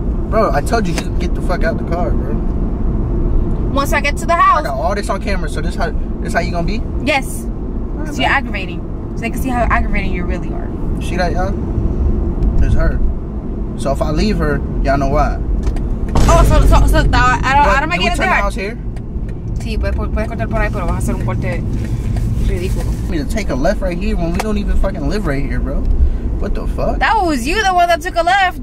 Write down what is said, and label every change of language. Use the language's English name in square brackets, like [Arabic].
[English] Bro, I told you to get the fuck out the car, bro. Once I get to the house. I got all this on camera, so this how you gonna be? Yes. Right, so you're aggravating. So they can see how aggravating you really are. She that young? It's her. So if I leave her, y'all know why. Oh, so I don't get it there. Do we turn the house here? [Spanish] Sí, puedes cortar por ahí, pero vas a hacer un corte ridículo. [English] I mean, to take a left right here when we don't even fucking live right here, bro. What the fuck? That was you the one that took a left.